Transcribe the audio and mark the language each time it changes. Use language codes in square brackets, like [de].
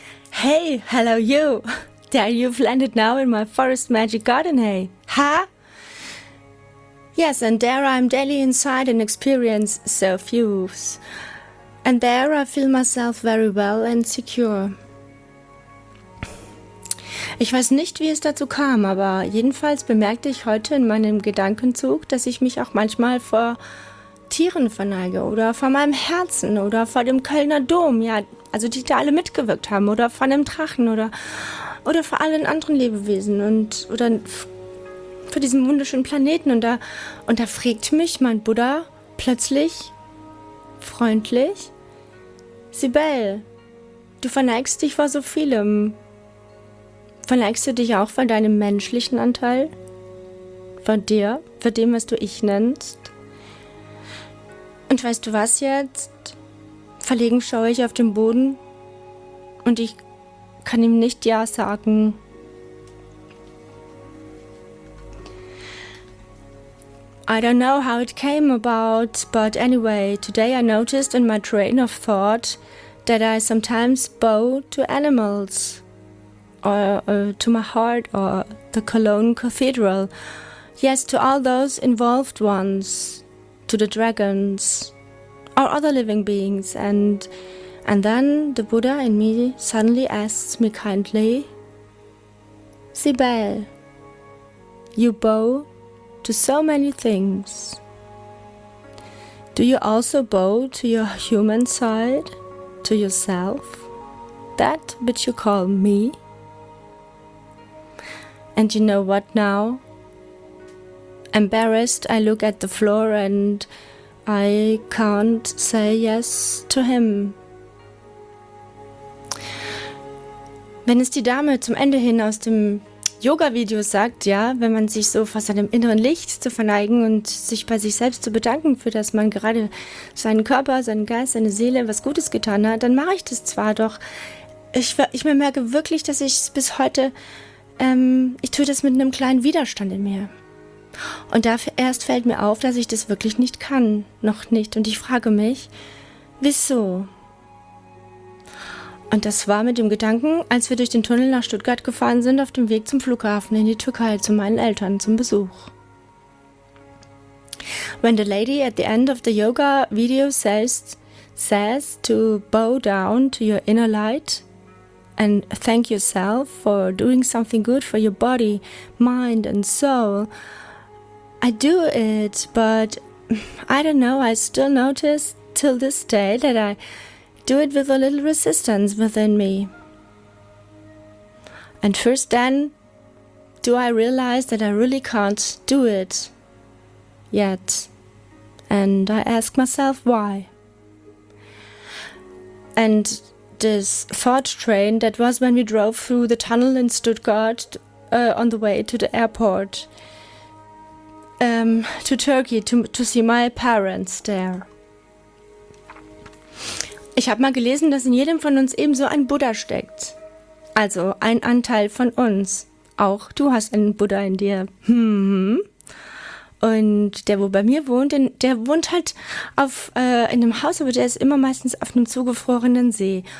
[en] "Hey, hello you! There you've landed now in my forest magic garden, hey? Huh?" "Yes, and there I'm daily inside and experience so fuse. And there I feel myself very well and secure." [de] Ich weiß nicht, wie es dazu kam, aber jedenfalls bemerkte ich heute in meinem Gedankenzug, dass ich mich auch manchmal vor Tieren verneige oder vor meinem Herzen oder vor dem Kölner Dom, ja, also die da alle mitgewirkt haben, oder vor einem Drachen oder vor allen anderen Lebewesen und oder vor diesem wunderschönen Planeten. Und da fragt mich mein Buddha plötzlich freundlich: "Sibel, du verneigst dich vor so vielem. Verneigst du dich auch vor deinem menschlichen Anteil? Vor dir? Vor dem, was du ich nennst? Und weißt du was jetzt? Verlegen schaue ich auf den Boden und ich kann ihm nicht ja sagen." [en] I don't know how it came about, but anyway, today I noticed in my train of thought that I sometimes bow to animals. Or to my heart, or the Cologne Cathedral. Yes, to all those involved ones, to the dragons, or other living beings. And then the Buddha in me suddenly asks me kindly, "Sibel, you bow to so many things. Do you also bow to your human side, to yourself, that which you call me? And you know what now? Embarrassed, I look at the floor and I can't say yes to him." [de] Wenn es die Dame zum Ende hin aus dem Yoga-Video sagt, ja, wenn man sich so vor seinem inneren Licht zu verneigen und sich bei sich selbst zu bedanken, für das man gerade seinen Körper, seinen Geist, seine Seele was Gutes getan hat, dann mache ich das zwar, doch ich merke wirklich, dass ich es bis heute... ich tue das mit einem kleinen Widerstand in mir. Und dafür erst fällt mir auf, dass ich das wirklich nicht kann. Noch nicht. Und ich frage mich, wieso? Und das war mit dem Gedanken, als wir durch den Tunnel nach Stuttgart gefahren sind, auf dem Weg zum Flughafen in die Türkei zu meinen Eltern zum Besuch. [en] When the lady at the end of the yoga video says to bow down to your inner light, and thank yourself for doing something good for your body, mind and soul. I do it, but I don't know, I still notice till this day that I do it with a little resistance within me. And first then, do I realize that I really can't do it yet. And I ask myself why. And this thought train, that was when we drove through the tunnel in Stuttgart on the way to the airport to Turkey to see my parents there. [de] Ich habe mal gelesen, dass in jedem von uns ebenso ein Buddha steckt. Also ein Anteil von uns. Auch du hast einen Buddha in dir. Und der, wo bei mir wohnt, der wohnt halt in einem Haus, aber der ist immer meistens auf einem zugefrorenen See.